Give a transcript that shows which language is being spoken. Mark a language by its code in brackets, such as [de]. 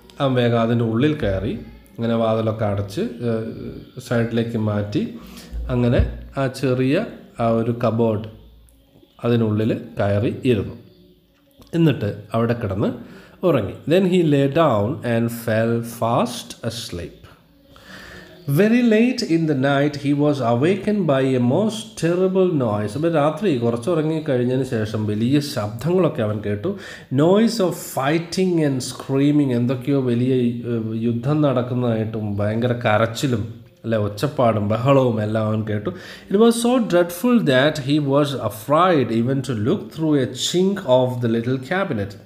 [ml] അവൻ വേഗം അതിൻ്റെ ഉള്ളിൽ കയറി, അങ്ങനെ വാതിലൊക്കെ അടച്ച് സൈഡിലേക്ക് മാറ്റി, അങ്ങനെ ആ ചെറിയ ആ ഒരു കബോർഡ് അതിനുള്ളിൽ കയറി ഇരുന്നു. എന്നിട്ട് അവിടെ കിടന്ന് ഉറങ്ങി. [en] Then he lay down and fell fast asleep. Very late in the night, he was awakened by a most terrible noise. [ml] അപ്പോൾ രാത്രി കുറച്ച് ഉറങ്ങിക്കഴിഞ്ഞതിന് ശേഷം വലിയ ശബ്ദങ്ങളൊക്കെ അവൻ കേട്ടു. [en] noise of fighting and screaming, [ml] എന്തൊക്കെയോ വലിയ യുദ്ധം നടക്കുന്നതായിട്ടും ഭയങ്കര കരച്ചിലും അല്ലെ, ഒച്ചപ്പാടും ബഹളവും എല്ലാം അവൻ കേട്ടു. [en] It was so dreadful that he was afraid even to look through a chink of the little cabinet.